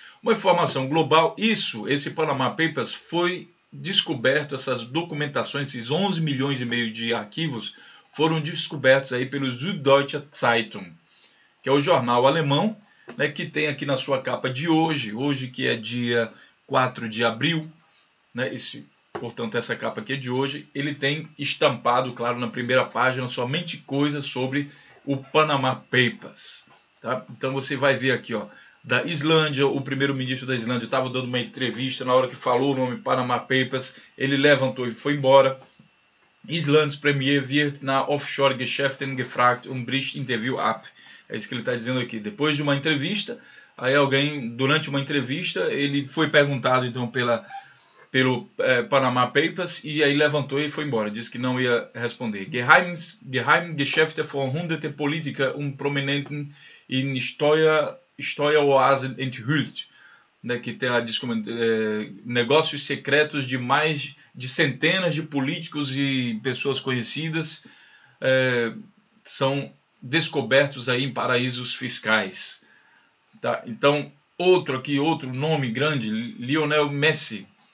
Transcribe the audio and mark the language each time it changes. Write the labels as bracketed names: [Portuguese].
[Portuguese] Uma informação global, esse Panama Papers foi descoberto, essas documentações, esses 11 milhões e meio de arquivos foram descobertos aí pelo Süddeutsche Zeitung, que é o jornal alemão, né, que tem aqui na sua capa de hoje que é dia 4 de abril, né, portanto, essa capa aqui é de hoje, ele tem estampado, claro, na primeira página somente coisa sobre o Panama Papers, tá? Então você vai ver aqui, ó, da Islândia, o primeiro-ministro da Islândia estava dando uma entrevista, na hora que falou o nome Panama Papers, ele levantou e foi embora. [German] Islands Premier wird na Offshore Geschäften gefragt, bricht Interview ab. [Portuguese] É isso que ele está dizendo aqui. Depois de uma entrevista, aí alguém, durante uma entrevista, ele foi perguntado então pelo Panama Papers e aí levantou e foi embora. Disse que não ia responder. [German] Geheimgeschäfte von hunderte Politiker prominenten in Steueroasen enthüllt. [Portuguese] Né, que tem negócios secretos de mais de centenas de políticos e pessoas conhecidas são descobertos aí em paraísos fiscais. Tá? Então, outro aqui, outro nome grande, Lionel Messi.